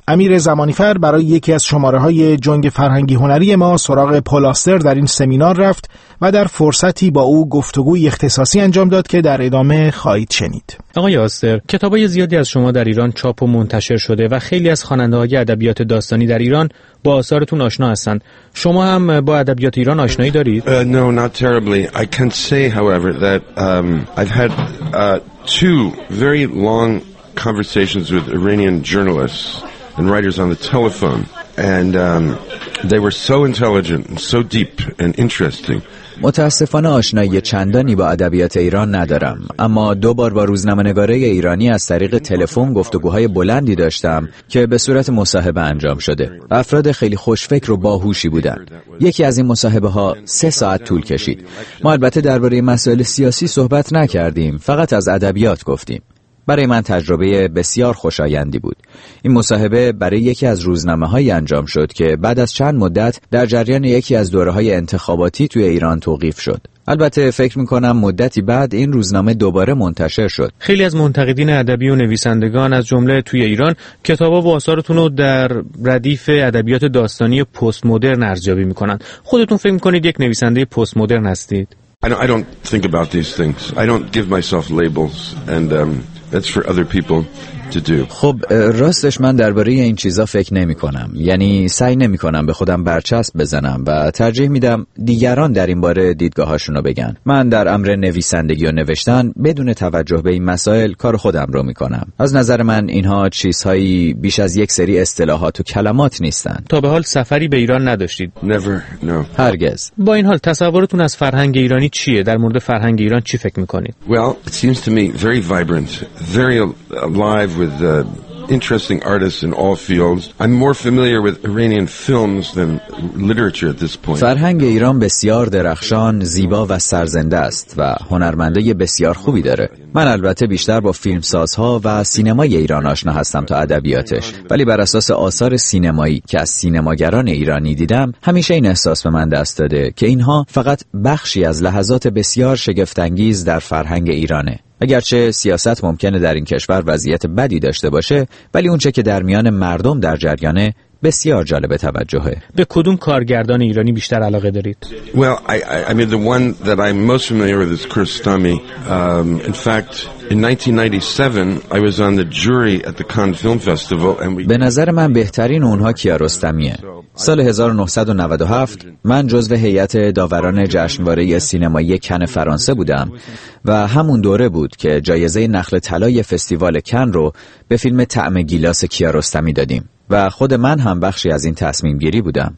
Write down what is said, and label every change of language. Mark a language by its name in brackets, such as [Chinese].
[Persian] امیر زمانی‌فر برای یکی از شماره‌های جنگ فرهنگی هنری ما سراغ پال آستر در این سمینار رفت و در فرصتی با او گفتگوی اختصاصی انجام داد که در ادامه خواهید شنید. آقای آستر، کتاب‌های زیادی از شما در ایران چاپ و منتشر شده و خیلی از خواننده‌های ادبیات داستانی در ایران با آثارتون آشنا هستند. شما هم با ادبیات ایران آشنایی دارید؟ [English] No, not terribly. I can say, however, that I've had two very long conversations with Iranian journalists and writers on the telephone, and they were so intelligent and so deep and interesting [Persian] متاسفانه آشنایی چندانی با ادبیات ایران ندارم، اما دو بار با روزنامه‌نگاره ایرانی از طریق تلفن گفتگوهای بلندی داشتم که به صورت مصاحبه انجام شده. افراد خیلی خوشفکر و باهوشی بودند. یکی از این مصاحبه‌ها 3 ساعت طول کشید. ما البته درباره مسائل سیاسی صحبت نکردیم، فقط از ادبیات گفتیم. برای من تجربه بسیار خوشایندی بود. این مصاحبه برای یکی از روزنامه‌های انجام شد که بعد از چند مدت در جریان یکی از دوره‌های انتخاباتی توی ایران توقیف شد. البته فکر می‌کنم مدتی بعد این روزنامه دوباره منتشر شد. خیلی از منتقدین ادبی و نویسندگان از جمله توی ایران کتابا و آثارتون رو در ردیف ادبیات داستانی پست مدرن ارزیابی می‌کنن. خودتون فکر می‌کنید یک نویسنده پست مدرن هستید؟ [English] I don't think about these things. I don't give myself labels and that's for other people to do. [Persian] خب راستش من درباره این چیزا فکر نمی کنم. یعنی سعی نمی کنم به خودم برچسب بزنم و ترجیح میدم دیگران در این باره دیدگاهاشون رو بگن. من در امر نویسندگی و نوشتن بدون توجه به این مسائل کار خودم رو می کنم. از نظر من اینها چیزهایی بیش از یک سری اصطلاحات و کلمات نیستن. تا به حال سفری به ایران نداشتید؟ [English] Never, no. [Persian] هرگز. با این حال تصورتون از فرهنگ ایرانی چیه؟ در مورد فرهنگ ایران چی فکر میکنید؟ [English] Well, it seems to me very vibrant, very alive. With interesting artists in all fields. I'm more familiar with Iranian films than literature at this point. [Persian] فرهنگ ایران بسیار درخشان، زیبا و سرزنده است و هنرمندای بسیار خوبی داره. من البته بیشتر با فیلمسازها و سینمای ایران آشنا هستم تا ادبیاتش، ولی بر اساس آثار سینمایی که از سینماگران ایرانی دیدم همیشه این احساس به من دست داده که اینها فقط بخشی از لحظات بسیار شگفت‌انگیز در فرهنگ ایرانه. اگرچه سیاست ممکنه در این کشور وضعیت بدی داشته باشه، ولی اونچه که در میان مردم در جریانه بسیار جالب توجهه. به کدوم کارگردان ایرانی بیشتر علاقه دارید؟ [English] Well, I mean the one that I'm most familiar with is Kiarostami. In fact, in 1997 I was on the jury at the Cannes Film Festival and [Persian] به نظر من بهترین اونها کیارستمیه. سال 1997 من جزو هیئت داوران جشنواره سینمایی کن فرانسه بودم و همون دوره بود که جایزه نخل طلای فستیوال کن رو به فیلم طعم گیلاس کیارستمی دادیم و خود من هم بخشی از این تصمیم گیری بودم.